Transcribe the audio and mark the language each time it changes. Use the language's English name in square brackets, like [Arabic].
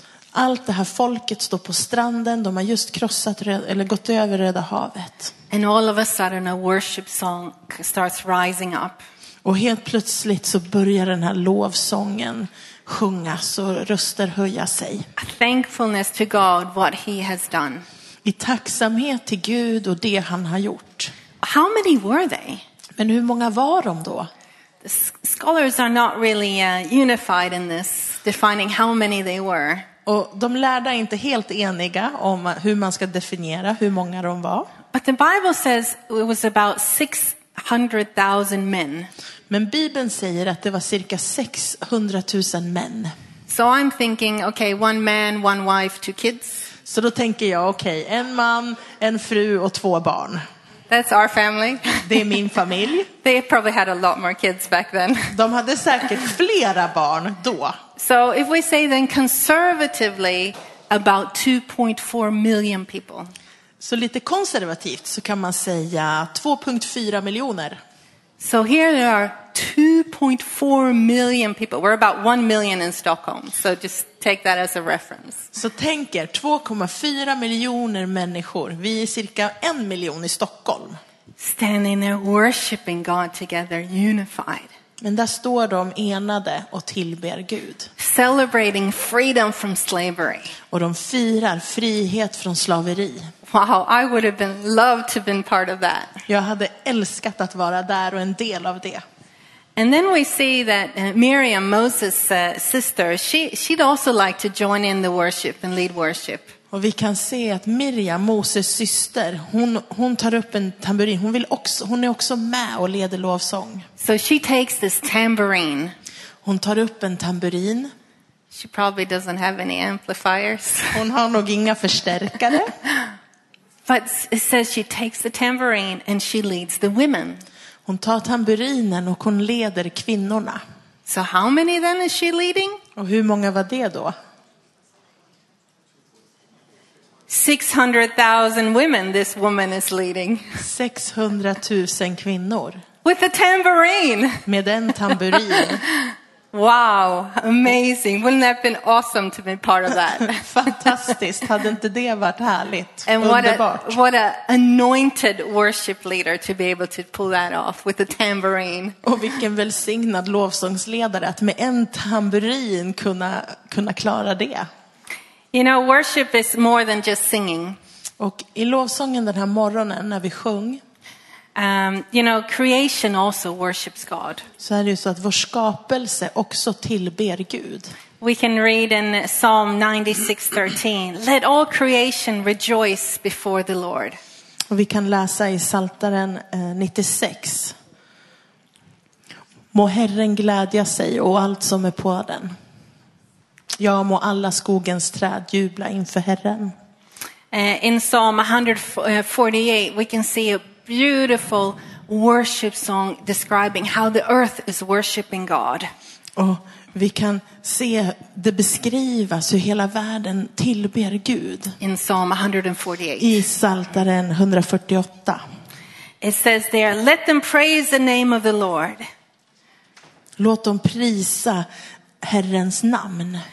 [Swedish] Allt det här folket står på stranden, de har just krossat eller gått över Röda havet. [English] And all of a sudden a worship song starts rising up. [Swedish] Och helt plötsligt så börjar den här lovsången sjungas och röster höja sig. [English] A thankfulness to God what he has done. [Swedish] I tacksamhet till Gud och det han har gjort. [English] How many were they? [Swedish] Men hur många var de då? [English] The scholars are not really unified in this defining how many they were. [Swedish] Och de lärda är inte helt eniga om hur man ska definiera hur många de var. [English] But the Bible says it was about 600,000 men. [Swedish] Men Bibeln säger att det var cirka 600,000 män. [English] So I'm thinking, okay, one man, one wife, two kids. [Swedish] Så då tänker jag, okej, en man, en fru och två barn. [English] That's our family. [Swedish] Det är min familj. [English] They probably had a lot more kids back then. [Swedish] De hade säkert flera barn då. [English] So if we say then conservatively about 2.4 million people. [Swedish] Så lite konservativt så kan man säga 2.4 miljoner. [English] So here there are 2.4 million people. We're about 1 million in Stockholm. So just take that as a reference. [Swedish] Så tänk er 2,4 miljoner människor. Vi är cirka 1 miljon i Stockholm. [English] Standing there worshiping God together, unified. [Swedish] Men där står de enade och tillber Gud. [English] Celebrating freedom from slavery. [Swedish] Och de firar frihet från slaveri. [English] Wow, I would have been loved to have been part of that. [Swedish] Jag hade älskat att vara där och en del av det. [English] And then we see that Miriam, Moses' sister, she'd also like to join in the worship and lead worship. [Swedish] Och vi kan se att Miriam, Moses syster, hon tar upp en tamburin. Hon vill också, hon är också med och leder lovsång. [English] So she takes this tambourine. [Swedish] Hon tar upp en tamburin. [English] She probably doesn't have any amplifiers. [Swedish] Hon har nog inga förstärkare. [English] But it says she takes the tambourine and she leads the women. [Swedish] Hon tar tamburinen och hon leder kvinnorna. [English] So how many then is she leading? [Swedish] Och hur många var det då? [English] 600,000 women this woman is leading. [Swedish] 600,000 kvinnor. [English] With a tambourine. [Swedish] Med en tamburin. [English] Wow, amazing. Wouldn't that been awesome to be part of that? [Swedish] Fantastiskt. Hade inte det varit härligt? [English] And what a anointed worship leader to be able to pull that off with a tambourine. [Swedish] Och vilken välsignad lovsångsledare att med en tamburin kunna klara det. [English] You know, worship is more than just singing. [Swedish] Och i lovsången den här morgonen när vi sjung. [English] You know, creation also worships God. [Swedish] Så är det ju så att vår skapelse också tillber Gud. [English] We can read in Psalm 96:13. Let all creation rejoice before the Lord. [Swedish] Och vi kan läsa i Saltaren 96. Må Herren glädja sig och allt som är på den. Ja, må alla skogens träd jubla inför Herren. [English] In Psalm 148 we can see a beautiful worship song describing how the earth is worshiping God. [Swedish] Och vi kan se det beskrivas hur hela världen tillber Gud. [English] In Psalm 148. [Swedish] I Saltaren 148. [English] It says there, let them praise the name of the Lord. [Swedish] Låt dem prisa Herrens namn.